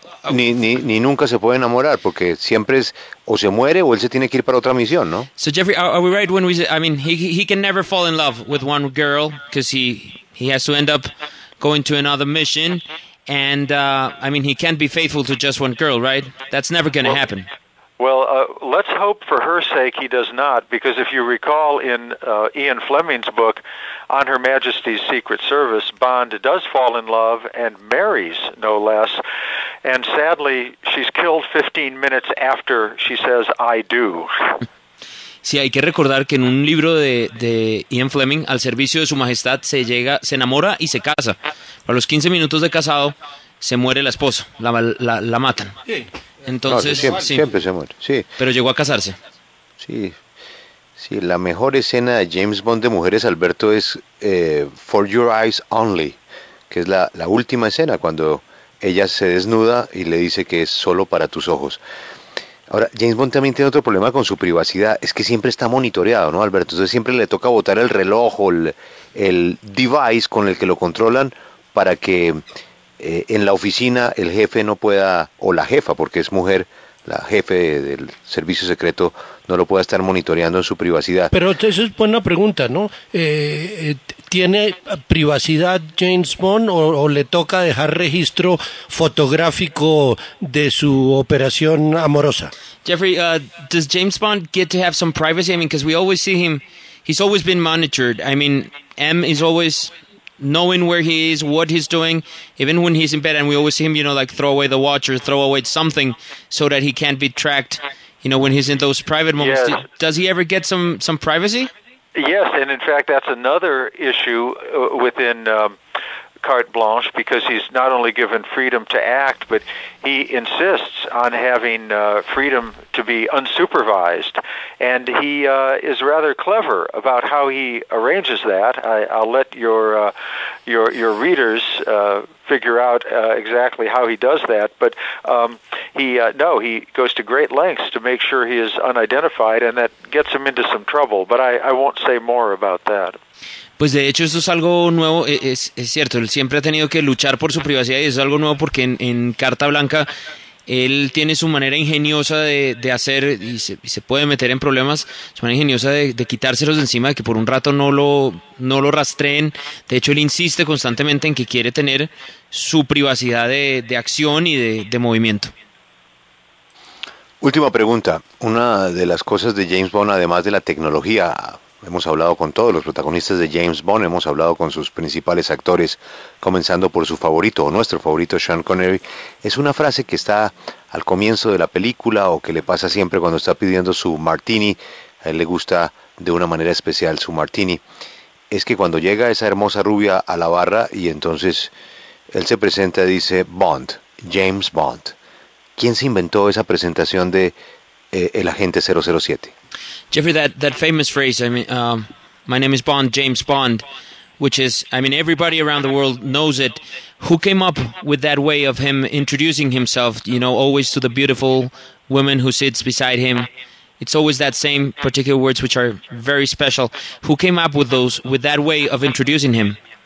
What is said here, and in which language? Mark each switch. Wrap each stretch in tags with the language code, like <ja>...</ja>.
<es>Ni nunca se puede enamorar, porque siempre es o se muere o él se tiene que ir para otra misión, ¿no?</es> <en>So Jeffrey, are we right when we say, I mean, he can never fall in love with one girl because he has to end up going to another mission. And, I mean, he can't be faithful to just one girl, right? That's never going to happen. Well, let's hope for her sake he does not, because if you recall in Ian Fleming's book, On Her Majesty's Secret Service, Bond does fall in love and marries, no less. And sadly, she's killed 15 minutes after she says, I do.</en> <es>Sí, hay que recordar que en un libro de Ian Fleming, Al servicio de su majestad, se enamora y se casa. A los 15 minutos de casado, se muere la esposa, la matan. Entonces, siempre se muere, sí. Pero llegó a casarse. Sí, la mejor escena de James Bond de mujeres, Alberto, es For Your Eyes Only, que es la última escena, cuando ella se desnuda y le dice que es solo para tus ojos. Ahora, James Bond también tiene otro problema con su privacidad, es que siempre está monitoreado, ¿no, Alberto? Entonces siempre le toca botar el reloj o el device con el que lo controlan para que en la oficina el jefe no pueda, o la jefa, porque es mujer, la jefe del servicio secreto, no lo pueda estar monitoreando en su privacidad. Pero esa es buena pregunta, ¿no? ¿Tiene privacidad James Bond o le toca dejar registro fotográfico de su operación amorosa?</es> <en>Jeffrey, does James Bond get to have some privacy? I mean, because we always see him, he's always been monitored. I mean, M is always knowing where he is, what he's doing, even when he's in bed, and we always see him, you know, like throw away the watch or throw away something so that he can't be tracked, you know, when he's in those private moments. Yes. Does he ever get some privacy? Yes, and in fact, that's another issue within carte blanche because he's not only given freedom to act, but he insists on having freedom to be unsupervised. And he is rather clever about how he arranges that. I'll let your readers figure out exactly how he does that. But he goes to great lengths to make sure he is unidentified, and that gets him into some trouble. But I won't say more about that.</en> <es>Pues de hecho eso es algo nuevo, es cierto, él siempre ha tenido que luchar por su privacidad y es algo nuevo porque en Carta Blanca él tiene su manera ingeniosa de hacer, y se puede meter en problemas, su manera ingeniosa de quitárselos de encima, de que por un rato no lo rastreen. De hecho él insiste constantemente en que quiere tener su privacidad de acción y de movimiento. Última pregunta, una de las cosas de James Bond, además de la tecnología, hemos hablado con todos los protagonistas de James Bond, hemos hablado con sus principales actores, comenzando por su favorito o nuestro favorito, Sean Connery. Es una frase que está al comienzo de la película o que le pasa siempre cuando está pidiendo su martini. A él le gusta de una manera especial su martini. Es que cuando llega esa hermosa rubia a la barra y entonces él se presenta y dice, Bond, James Bond. ¿Quién se inventó esa presentación de el agente 007?</es> <en>Jeffrey, that famous phrase, I mean, my name is Bond, James Bond, which is, I mean, everybody around the world knows it. Who came up with that way of him introducing himself, you know, always to the beautiful woman who sits beside him? It's always that same particular words, which are very special. Who came up with those, with that way of introducing him?</en>